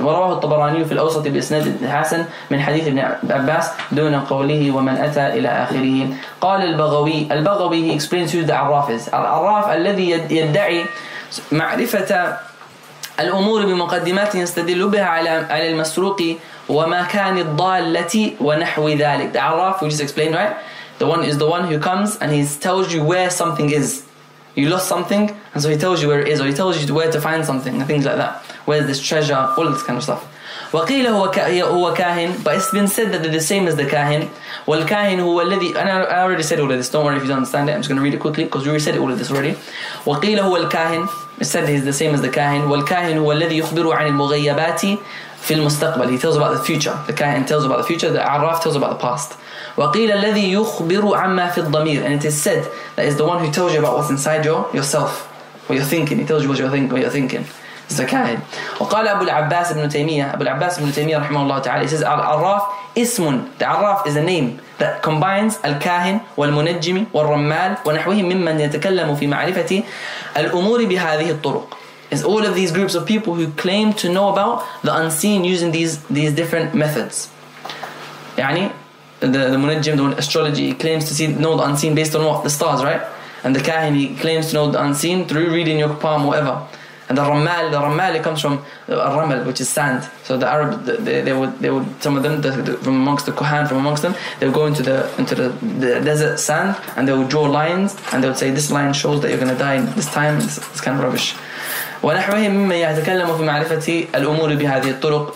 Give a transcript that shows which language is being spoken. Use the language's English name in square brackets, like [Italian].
[Arabic] ورواه الطبراني في الأوسط بإسناد حسن من حديث ابن عباس دون قوله ومن أتى إلى آخره. قال البغوي, البغوي [English] he explains who the [Arabic] عراف is. العراف الذي يدعي معرفة الأمور بمقدمات يستدل بها على المسروق وما كان الضالة ونحو ذلك. [English] The عراف, we just explained, right? The one is the one who comes and he tells you where something is. You lost something, and so he tells you where it is, or he tells you where to find something, and things like that. Where's this treasure? All this kind of stuff. [Arabic] وقيل هو كاهن, [English] but it's been said that they're the same as the كاهن. [Arabic] والكاهن هو الذي, [English] and I already said all of this. Don't worry if you don't understand it. I'm just going to read it quickly because we already said all of this already. [Arabic] وقيل هو الكاهن. [English] It's said he's the same as the كاهن. [Arabic] والكاهن هو الذي يخبر عن المغيبات في المستقبل. [English] He tells about the future. The كاهن tells about the future. The عراف tells about the past. [Arabic] وقيل الذي يخبر عما في الضمير. [English] And it is said that is the one who tells you about what's inside yourself, what you're thinking. He tells you what you're thinking. It's the كاهن. [Arabic] وقال أبو العباس بن تيمية, أبو العباس بن تيمية رحمه الله تعالى, [English] he says [Arabic] العراف اسم. [English] The عراف is a name that combines [Arabic] الكاهن والمنجم والرمال ونحوهم ممن يتكلم في معرفة الأمور بهذه الطرق. [English] It's all of these groups of people who claim to know about the unseen using these different methods. يعني the munajjim, the astrology, he claims to see, know the unseen based on what? The stars, right? And the kahin, he claims to know the unseen through reading your palm, whatever. And the ramal, it comes from ramal, which is sand. So the Arab, they would, some of them, from amongst the kohan, from amongst them, they would go into the desert sand, and they would draw lines, and they would say, this line shows that you're going to die this time. It's kind of rubbish. [Arabic] ونحوهم مما يتكلم في معرفة الأمور بهذه الطرق.